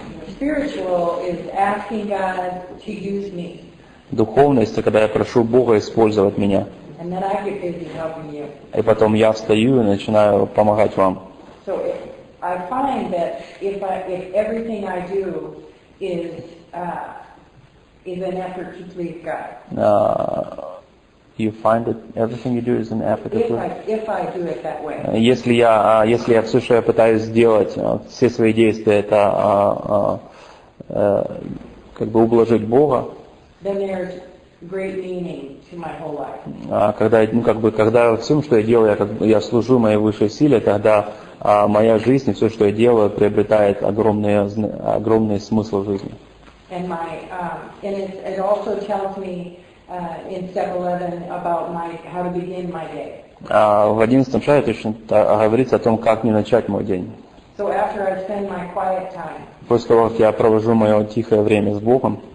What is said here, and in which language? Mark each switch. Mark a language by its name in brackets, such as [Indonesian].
[English] Spiritual is asking God to use me. [Russian] Духовность это когда я прошу Бога использовать меня. [English] And then I get busy helping you. [Russian] И потом я встаю и начинаю помогать вам. [English] So I find that if everything I do is an effort to please God. You find that everything you do is an effort to please. If I do it that way. [Russian] Если я все, что я пытаюсь сделать, все свои действия это как бы ублажить Бога. [English] Then there's great meaning to my whole life. [Russian] Когда всем, что я делаю, я служу моей высшей силе, тогда моя жизнь и все, что я делаю, приобретает огромный смысл в жизни. [English] And it also tells me in step 11 about how to begin my day. [Russian] В 11-м шаге точно говорится о том, как мне начать мой день. [English] So after I spend my quiet time. [Russian] После того, как я провожу мое тихое время с Богом.